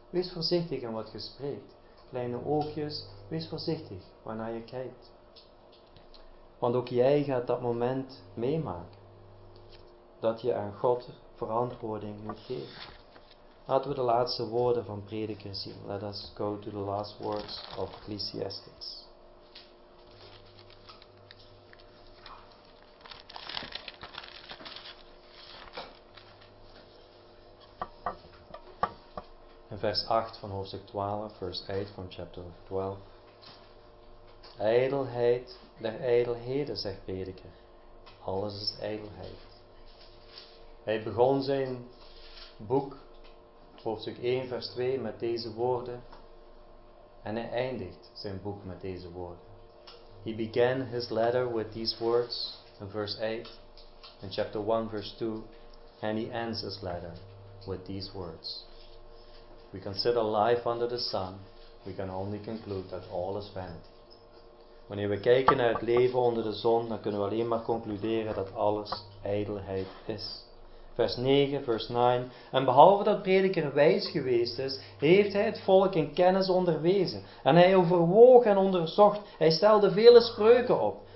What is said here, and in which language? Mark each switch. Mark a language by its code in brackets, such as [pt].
[nl] Wees voorzichtig in wat je spreekt. Kleine oogjes. Wees voorzichtig wanneer je kijkt. Want ook jij gaat dat moment meemaken. Dat je aan God verantwoording moet geven. Laten we de laatste woorden van Prediker zien. [en] Let us go to the last words of Ecclesiastes. [nl] In vers 8 van hoofdstuk 12, vers 8 van chapter 12. Ijdelheid der ijdelheden, zegt Prediker. alles is ijdelheid. Hij begon zijn boek, hoofdstuk 1, vers 2, met deze woorden. En hij eindigt zijn boek met deze woorden. [en] He began his letter with these words in verse 8, in chapter 1, verse 2. And he ends his letter with these words. We consider life under the sun, we can only conclude that all is vanity. [nl] Wanneer we kijken naar het leven onder de zon, dan kunnen we alleen maar concluderen dat alles ijdelheid is. Vers 9, vers 9. En behalve dat prediker wijs geweest is, heeft hij het volk in kennis onderwezen. En hij overwoog en onderzocht. Hij stelde vele spreuken op.